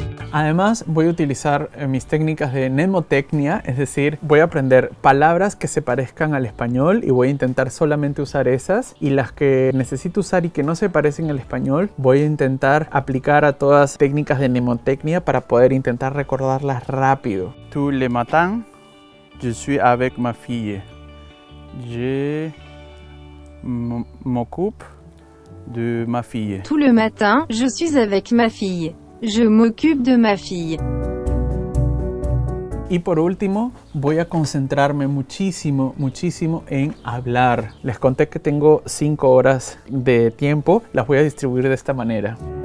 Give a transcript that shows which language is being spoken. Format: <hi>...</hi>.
<es>Además, voy a utilizar mis técnicas de mnemotecnia, es decir, voy a aprender palabras que se parezcan al español y voy a intentar solamente usar esas, y las que necesito usar y que no se parecen al español, voy a intentar aplicar a todas técnicas de mnemotecnia para poder intentar recordarlas rápido.</es> <fr>Tous les matins, je suis avec ma fille. Je m'occupe de ma fille. Tous les matins, je suis avec ma fille. Je m'occupe de ma fille.</fr> <es>Y por último, voy a concentrarme muchísimo, muchísimo en hablar. Les conté que tengo 5 horas de tiempo. Las voy a distribuir de esta manera.</es>